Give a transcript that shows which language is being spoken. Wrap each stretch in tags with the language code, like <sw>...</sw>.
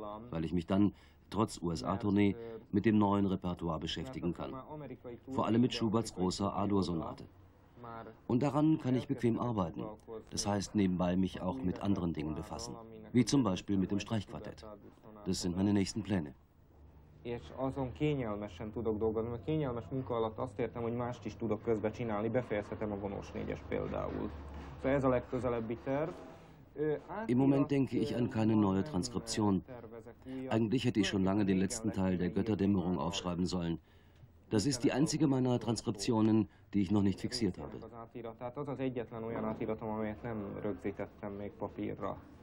<de>Weil ich mich dann, trotz USA-Tournee, mit dem neuen Repertoire beschäftigen kann. Vor allem mit Schuberts großer A-Dur-Sonate. Und daran kann ich bequem arbeiten. Das heißt, nebenbei mich auch mit anderen Dingen befassen. Wie zum Beispiel mit dem Streichquartett. Das sind meine nächsten Pläne.</de> <hu>És azon kényelmesen tudok dolgozni, mert kényelmes munka alatt azt értem, hogy mást is tudok közben csinálni, befejezhetem a Vonós négyes például. Szóval ez a legközelebbi terv.</hu> <de>Im Moment denke ich an keine neue Transkription. Eigentlich hätte ich schon lange den letzten Teil der Götterdämmerung aufschreiben sollen. Das ist die einzige meiner Transkriptionen, die ich noch nicht fixiert habe.</de> <hu>Az az egyetlen olyan átíratom, amelyet nem rögzítettem még papírra.</hu>